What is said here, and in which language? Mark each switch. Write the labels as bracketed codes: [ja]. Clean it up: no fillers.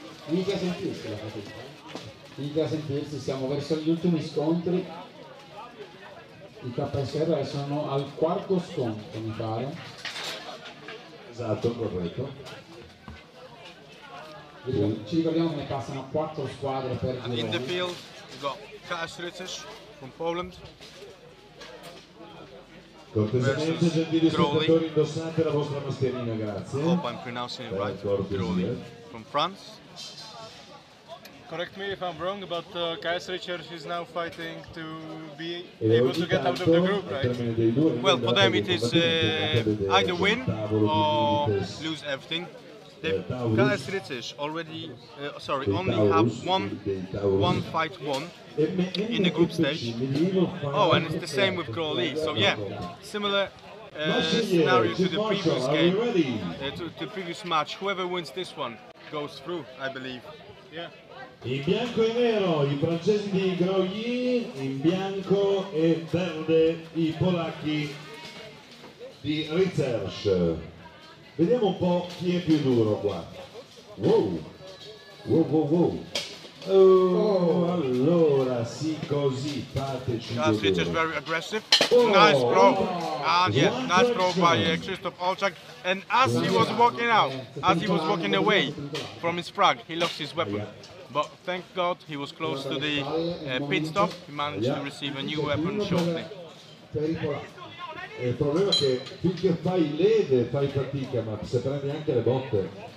[it] Inizia a sentirsi, siamo verso gli ultimi scontri. I KSR sono al quarto scontro, mi pare. Esatto, corretto. Ci ricordiamo che ne passano quattro squadre per Graoully. [en] In the field, we got KS Rycerz from Poland. [it] Cortesemente, gentili spettatori, indossate la vostra mascherina, grazie. [en] I hope I'm pronouncing it right. Graoully from France. Correct me if I'm wrong, but KS Rycerz is now fighting to be able to get out of the group, right? Well, for them it is either win or lose everything. KS Rycerz only have one fight won in the group stage. Oh, and it's the same with Graoully. So yeah, similar scenario to the previous game, to the previous match. Whoever wins this one goes through, I believe. Yeah. [it] In bianco e nero i francesi di Graoully, in bianco e verde i polacchi di Rycerz. Vediamo un po' chi è più duro qua. Wow. Oh, allora sì, così fateci vedere. [en] KS Rycerz very aggressive. Oh, nice throw. Nice throw by Krzysztof Olczak. And as he was walking out, as he was walking away from his frag, he lost his weapon. But thank God he was close to the pit stop. He managed to receive a new weapon shortly. [it] Il problema è che più che fai leve fai fatica, ma se prendi anche le botte.